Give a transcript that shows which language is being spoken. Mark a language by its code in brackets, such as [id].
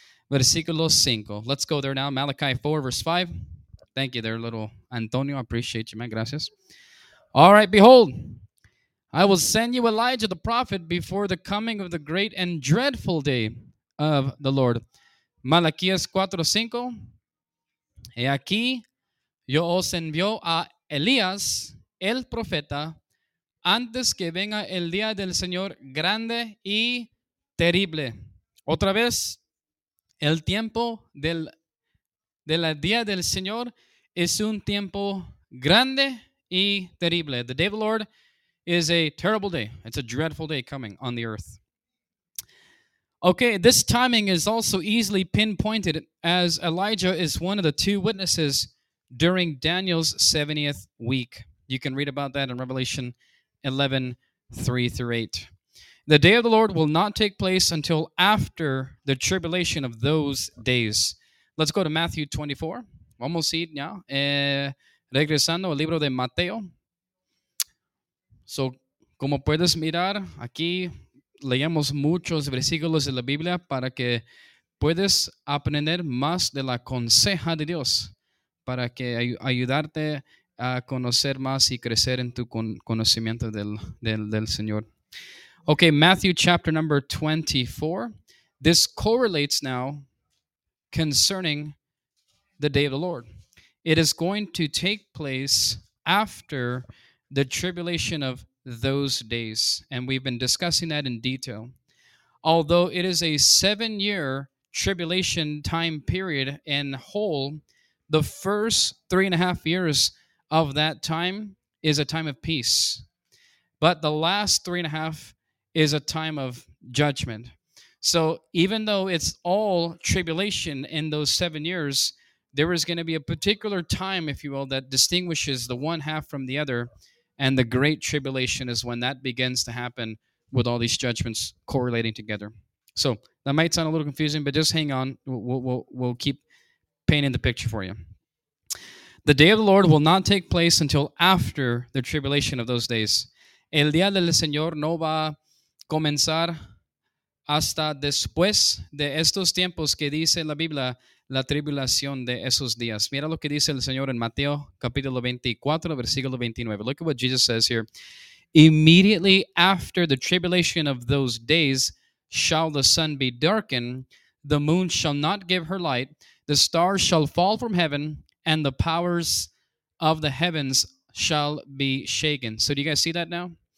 [es] Versículo 5. [en] Let's go there now. Malachi 4, verse 5. Thank you there, little Antonio. I appreciate you, man. Gracias. All right. Behold, I will send you Elijah the prophet before the coming of the great and dreadful day of the Lord. [es] Malachias 4, 5. He aquí, yo os envío a Elías, el profeta, antes que venga el día del Señor grande y terrible. Otra vez. El tiempo del día del Señor es un tiempo grande y terrible. [en] The day of the Lord is a terrible day. It's a dreadful day coming on the earth. Okay, this timing is also easily pinpointed as Elijah is one of the two witnesses during Daniel's 70th week. You can read about that in Revelation 11, 3 through 8. The day of the Lord will not take place until after the tribulation of those days. Let's go to Matthew 24. [es] Vamos a ir ya. Regresando al libro de Mateo. So, como puedes mirar, aquí leemos muchos versículos de la Biblia para que puedes aprender más de la conseja de Dios, para que ayudarte a conocer más y crecer en tu conocimiento del Señor. [en] Okay, Matthew chapter number 24. This correlates now concerning the day of the Lord. It is going to take place after the tribulation of those days. And we've been discussing that in detail. Although it is a 7-year tribulation time period in whole, the first 3.5 years of that time is a time of peace. But the last 3.5 is a time of judgment. So even though it's all tribulation in those 7 years, there is going to be a particular time, if you will, that distinguishes the one half from the other. And the great tribulation is when that begins to happen with all these judgments correlating together. So that might sound a little confusing, but just hang on. We'll keep painting the picture for you. The day of the Lord will not take place until after the tribulation of those days. [es] El día del Señor no va comenzar hasta después de estos tiempos que dice la Biblia, la tribulación de esos días. Mira lo que dice el Señor en Mateo, capítulo 24, versículo 29. [en] Look at what Jesus says here. Immediately after the tribulation of those days shall the sun be darkened, the moon shall not give her light, the stars shall fall from heaven, and the powers of the heavens shall be shaken. So do you guys see that now?